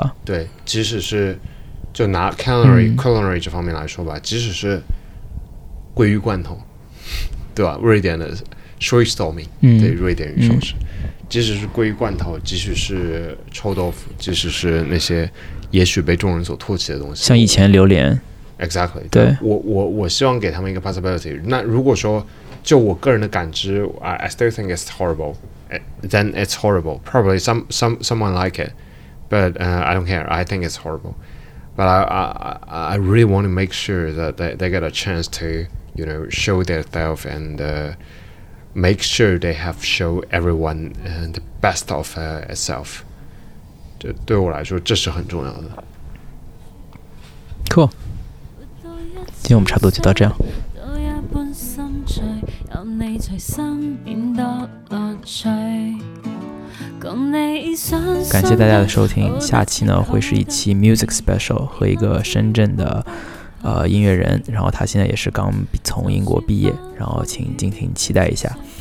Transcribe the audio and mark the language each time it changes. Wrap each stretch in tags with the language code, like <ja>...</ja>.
<en>Exactly，</en> <zh>对，即使是就拿 culinary、culinary 这方面来说吧，即使是鲑鱼罐头，对吧？瑞典的 schweizstorming，对，瑞典鱼寿司，即使是鲑鱼罐头，即使是臭豆腐，即使是那些也许被众人所唾弃的东西，像以前榴莲。</zh> <en>Exactly，</en> <zh>对，我希望给他们一个 possibility。那如果说就我个人的感知，</zh> <en>I still think it's horrible， then it's horrible。 Probably someone like it， but I don't care。 I think it's horrible， but I really want to make sure that they get a chance to you know show themselves and make sure they have show everyone the best of itself。</en> <zh>这对我来说这是很重要的。</zh> <en>Cool。</en> <zh>今天我们差不多就到这样。都一般心碎，有你随身免得乐趣。感谢大家的收听，下期呢会是一期 music special， 和一个深圳的音乐人，然后他现在也是刚从英国毕业，然后请敬请期待一下。</zh>